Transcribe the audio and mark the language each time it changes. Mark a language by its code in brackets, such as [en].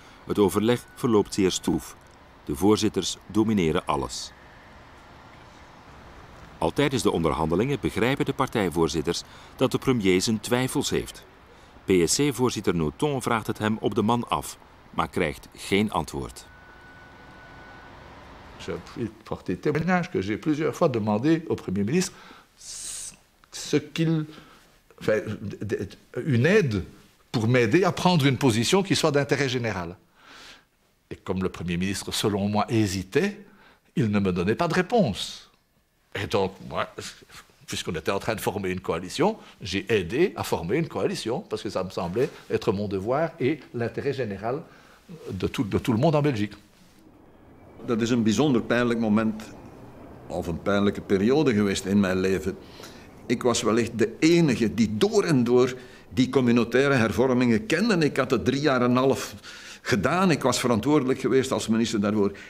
[nl] Het overleg verloopt zeer stroef. De voorzitters domineren alles. Al tijdens de onderhandelingen begrijpen de partijvoorzitters dat de premier zijn twijfels heeft. PSC-voorzitter Nothomb vraagt het hem op de man af, maar krijgt geen antwoord. Ik heb [fr] porté témoignage que j'ai plusieurs fois demandé au premier ministre ce qu'il fait une aide pour m'aider à prendre une position qui soit d'intérêt général. Et comme le premier ministre selon moi hésitait, il ne me donnait pas de réponse. Et donc, moi, puisqu'on était en train de former une coalition, j'ai aidé à former une coalition, parce que ça me semblait être mon devoir et l'intérêt général de tout le monde en Belgique. [nl] Dat is een bijzonder pijnlijk moment, of een pijnlijke periode geweest in mijn leven. Ik was wellicht de enige die door en door die communautaire hervormingen kende. Ik had het 3,5 jaar gedaan, ik was verantwoordelijk geweest als minister daarvoor.